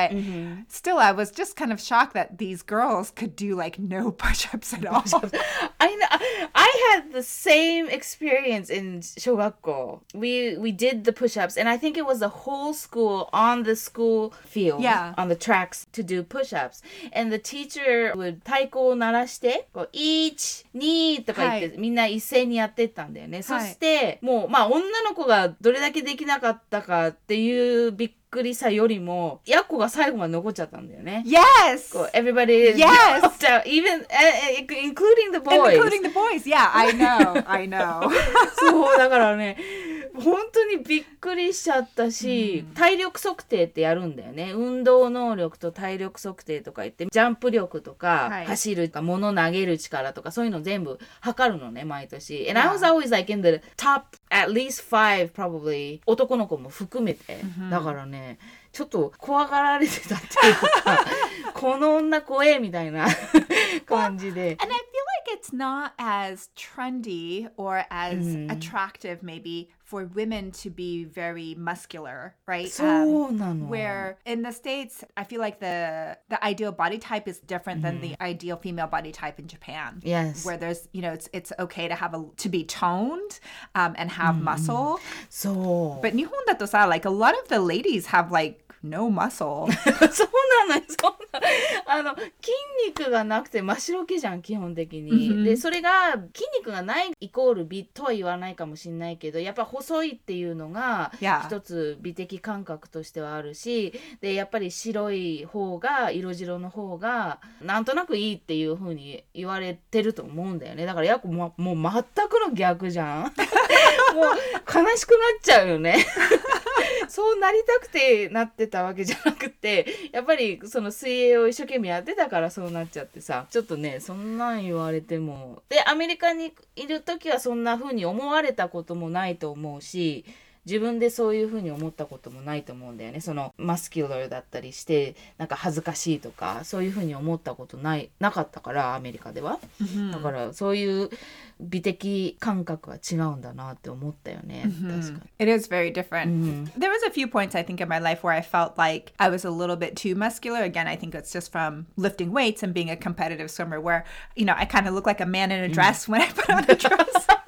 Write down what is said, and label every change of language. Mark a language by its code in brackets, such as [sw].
[en] But still, I was just kind of shocked that these girls could do like no push-ups at all. I had the same experience in 小学校. We did the push-ups. And I think it was the whole school on the school field. Yeah. On the tracks to do push-ups. And the teacher... would [ja] 太鼓を鳴らして 1,2 とか言って、みんな一斉にやってったんだよね。そしてもうまあ女の子がどれだけできなかったかっていうびっくりさよりもヤッコが最後まで残っちゃったんだよね。 [en] Yes! Everybody is Yes! Even, including the boys. Including the boys, yeah, I know. [ja] そうだからね、本当にびっくりしちゃったし、体力測定ってやるんだよね。運動能力と体力測定とか言って、ジャンプ力とか、走るとか、物投げる力とか、そういうの全部測るのね、毎年。 [en] And I was always like in the top at least five, probably, [ja] 男の子も含めて。だからね、ちょっと怖がられてたっていうか、この女怖えみたいな感じで。 [en] Well, and I feel like it's it's not as trendy or as attractive maybe for women to be very muscular, right? So where in the States, I feel like the ideal body type is different than the ideal female body type in Japan. Yes. Where there's, you know, it's okay to have to be toned and have muscle. So. But [ja] Nihon dato sa, [en] like a lot of the ladies have like no muscle. [ja] そうなの、そうなの。あの、筋肉がなくて真っ白けじゃん、基本的に。で、それが筋肉がないイコール美とは言わないかもしれないけど、やっぱ細いっていうのが一つ美的感覚としてはあるし、で、やっぱり白い方が、色白の方がなんとなくいいっていう風に言われてると思うんだよね。だからやっぱ、もう全くの逆じゃん。もう悲しくなっちゃうよね。そうなりたくてなってたわけじゃなくて、やっぱりその水泳を一生懸命やってたからそうなっちゃってさ、ちょっとね、そんなん言われても、でアメリカにいる時はそんな風に思われたこともないと思うし、自分でそういう風に思ったこともないと思うんだよね。そのマスキュラーだったりしてなんか恥ずかしいとか、そういう風に思ったことないなかったから、アメリカでは、だからそういう美的感覚は違うんだなって思ったよね。 [en] It is very different. There was a few points I think in my life where I felt like I was a little bit too muscular. Again, I think it's just from lifting weights and being a competitive swimmer, where you know I kind of look like a man in a dress when I put on a dress.